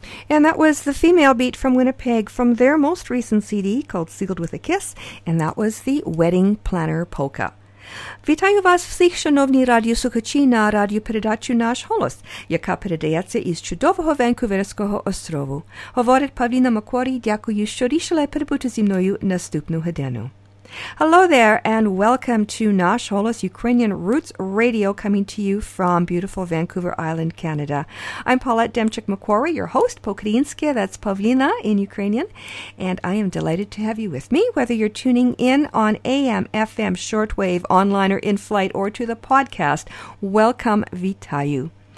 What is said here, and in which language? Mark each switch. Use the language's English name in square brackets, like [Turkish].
[English] And that was the female beat from Winnipeg from their most recent CD called Sealed with a Kiss, and that was the Wedding Planner Polka. [Ukrainian] Вітаю вас всіх, шановні радіослухачі, на радіопередачі «Наш голос», яка передається із чудового Ванкуверського острову. Говорить Павліна Макворі, дякую, що рішили перебути зі мною наступну годину. [English] Hello there, and welcome to Nash Holos Ukrainian Roots Radio, coming to you from beautiful Vancouver Island, Canada. I'm Paulette Demchuk-McQuarrie, your host, Pokrinske, that's Pavlina in Ukrainian, and I am delighted to have you with me, whether you're tuning in on AM, FM, shortwave, online or in flight, or to the podcast, welcome, vitayu.